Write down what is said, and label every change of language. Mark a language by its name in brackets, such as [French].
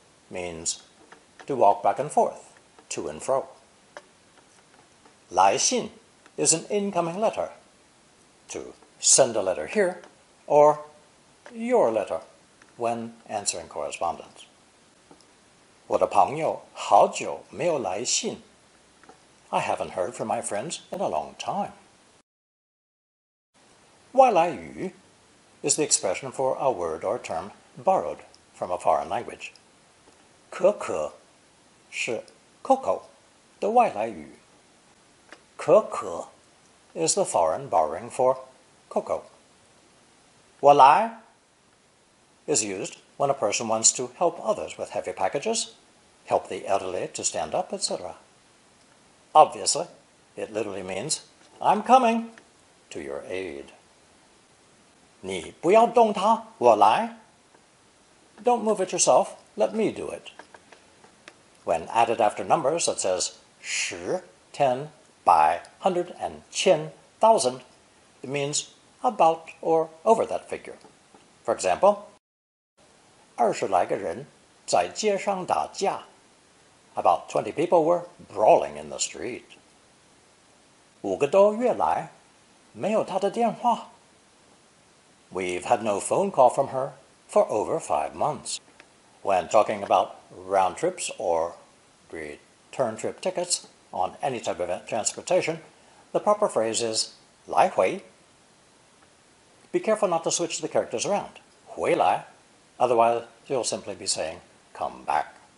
[English] means to walk back and forth, to and fro. [Chinese] 来信 [English] is an incoming letter, to send a letter here, or your letter when answering correspondence. [Chinese] 我的朋友好久没有来信。 [English] I haven't heard from my friends in a long time. [Chinese] 外来语 [English] is the expression for a word or term borrowed from a foreign language. [Chinese] 可可是 Coco 的外来语。 [English] 可可 is the foreign borrowing for Coco. [Chinese] 我来 [English] is used when a person wants to help others with heavy packages, help the elderly to stand up, etc. Obviously, it literally means, I'm coming to your aid. [Chinese] 你不要动它，我来。 [English] Don't move it yourself, let me do it. When added after numbers, it says 十, 10, 百, 100, and 千, 1,000, it means about or over that figure. For example, [Chinese] 二十来个人在街上打架。 [English] About 20 people were brawling in the street. [Chinese] 五个多月来没有她的电话。 [English] We've had no phone call from her for over 5 months. When talking about round trips orreturn trip tickets on any type of transportation, the proper phrase is 来回. Be careful not to switch the characters around. 回来, otherwise you'll simply be saying come back.